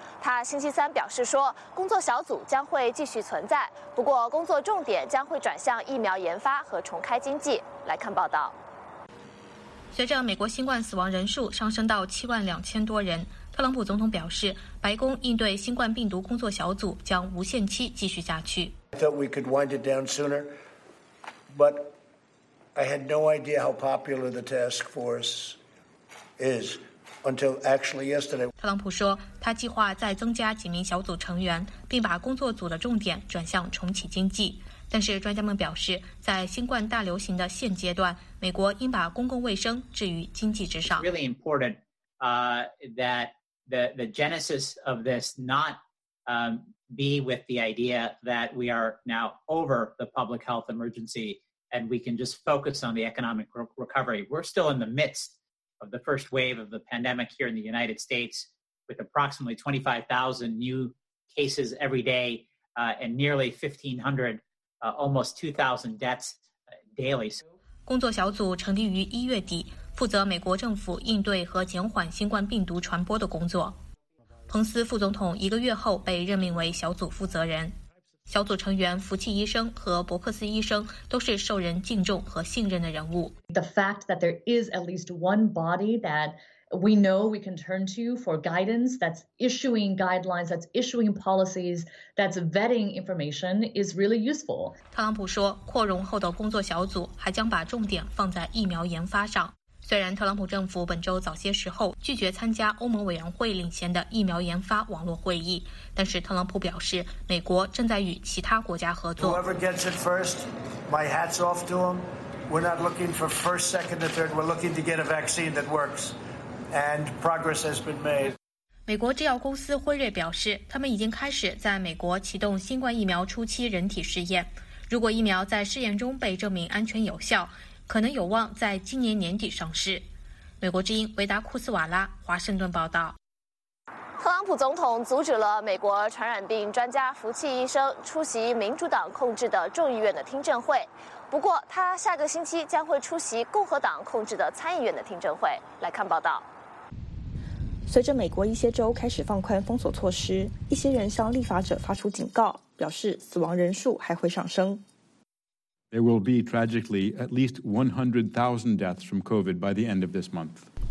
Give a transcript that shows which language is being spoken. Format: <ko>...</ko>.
<zh>他星期三表示说，工作小组将会继续存在，不过工作重点将会转向疫苗研发和重开经济。来看报道。随着美国新冠死亡人数上升到72000多人，特朗普总统表示，白宫应对新冠病毒工作小组将无限期继续下去。</zh> <en>I thought we could wind it down sooner, but I had no idea how popular the task force is until actually yesterday.</en> <zh>特朗普说，他计划再增加几名小组成员，并把工作组的重点转向重启经济。但是专家们表示，在新冠大流行的现阶段，美国应把公共卫生置于经济之上。</zh> <en>Really important, that the genesis of this not, be with the idea that we are now over the public health emergency and we can just focus on the economic recovery. We're still in the midst of the first wave of the pandemic here in the United States, with approximately 25,000 new cases every day, and nearly 1,500. Almost 2,000 deaths daily.</en> <zh>工作小组成立于一月底，负责美国政府应对和减缓新冠病毒传播的工作。彭斯副总统一个月后被任命为小组负责人。小组成员福契医生和伯克斯医生都是受人敬重和信任的人物。</zh> <en>The fact that there is at least one body that we know we can turn to for guidance, that's issuing guidelines, that's issuing policies, that's vetting information is really useful.</en> <zh>特朗普说，扩容后的工作小组还将把重点放在疫苗研发上。虽然特朗普政府本周早些时候拒绝参加欧盟委员会领衔的疫苗研发网络会议，但是特朗普表示，美国正在与其他国家合作。</zh> <en>Whoever gets it first, my hat's off to them. We're not looking for first, second, or third. We're looking to get a vaccine that works. And progress has been made.</en> <zh>美国制药公司辉瑞表示，他们已经开始在美国启动新冠疫苗初期人体试验。如果疫苗在试验中被证明安全有效，可能有望在今年年底上市。美国之音维达库斯瓦拉华盛顿报道。特朗普总统阻止了美国传染病专家福契医生出席民主党控制的众议院的听证会，不过他下个星期将会出席共和党控制的参议院的听证会。来看报道。随着美国一些州开始放宽封锁措施，一些人向立法者发出警告，表示死亡人数还会上升。</zh> <en>There will be tragically at least 100,000 deaths from COVID by the end of this month.</en>